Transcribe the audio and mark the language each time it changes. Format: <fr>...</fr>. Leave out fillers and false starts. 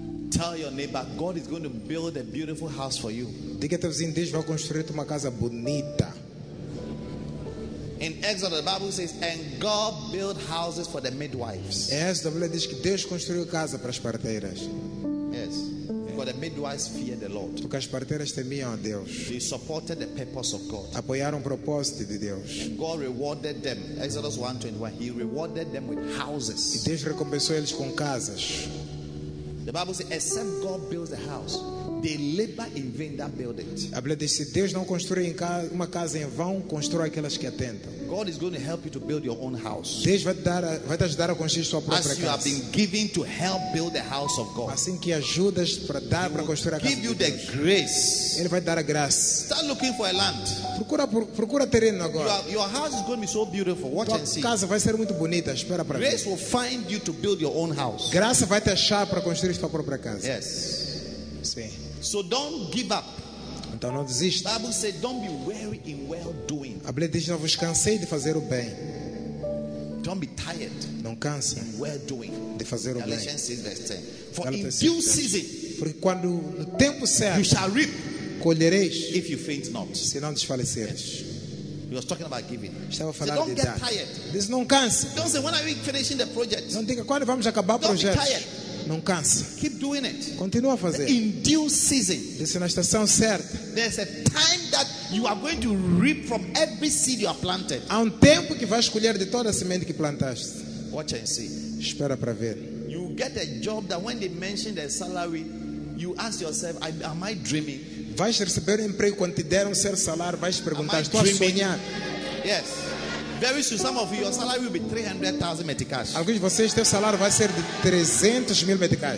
<en>Tell your neighbor, God is going to build a beautiful house for you.</en> <pt>Diga teu vizinho, Deus vai construir uma casa bonita.</pt> <en>In Exodus, the Bible says, "And God built houses for the midwives."</en> <pt>Yes, a Bíblia diz que Deus construiu casa para as parteiras.</pt> <en>Yes. For the midwives feared the Lord.</en> <pt>Porque as parteiras temiam a Deus.</pt> <en>They supported the purpose of God.</en> <pt>Apoiaram o propósito de Deus.</pt> <en>And God rewarded them. Exodus 1:21. He rewarded them with houses.</en> <pt>E Deus recompensou eles com casas.</pt> <en>The Bible says, "Except God builds a house, they labor in vain that build it."</en> <pt>A Bíblia diz, se Deus não construir uma casa em vão, constrói aquelas que atentam.</pt> <en>God is going to help you to build your own house.</en> <pt>Deus vai te ajudar a construir sua própria casa.</pt> <en>As you have been given to help build the house of God.</en> <pt>Assim que ajudas para dar para construir a casa.</pt> <en>Give you the grace.</en> <pt>Ele vai dar a graça.</pt> <en>Start looking for a land.</en> <pt>Procura terreno agora.</pt> <en>Your house is going to be so beautiful. Watch and see.</en> <pt>Casa vai ser muito bonita. Espera para ver.</pt> <en>Grace will find you to build your own house.</en> <pt>Graça vai te achar para construir sua própria casa.</pt> <en>Yes.</en> <pt>Sim.</pt> <en>So don't give up.</en> <pt>Então não desiste.</pt> <en>The Bible says, "Don't be weary in well doing."</en> <pt>A Bíblia diz, não vos cansei de fazer o bem.</pt> <en>Don't be tired.</en> <pt>Não canse.</pt> <en>In well doing.</en> <pt>De fazer o bem.</pt> <en>Galatians 6:10. For in due season.</en> <pt>Porque quando no tempo certo.</pt> <en>You shall reap.</en> <pt>Colhereis.</pt> <en>If you faint not.</en> <pt>Se não desfaleceres.</pt> <en>He was talking about giving.</en> <pt>Estava a falar de dar.</pt> <en>Don't get tired.</en> <pt>Diz, não canse.</pt> <en>Don't say, "When are we finishing the project?"</en> <pt>Não diga, quando vamos acabar o projeto.</pt> <en>Don't be tired.</en> <pt>Não canse.</pt> <en>Keep doing it.</en> <pt>Continua a fazer.</pt> <en>In due season.</en> <pt>Diz-se na estação certa.</pt> <en>There's a time that you are going to reap from every seed you have planted.</en> <pt>Há tempo que vais colher de toda a semente que plantaste.</pt> <en>Watch and see.</en> <pt>Espera para ver.</pt> <en>You get a job that when they mention their salary, you ask yourself, "Am I dreaming?"</en> <pt>Vais receber um emprego quando te deram seu salário, vais perguntar, estou a sonhar?</pt> <en>Yes. Very soon, some of you, your salary will be 300,000 meticais.</en> <pt>Alguns de vocês, teu salário vai ser de 300,000 meticais.</pt>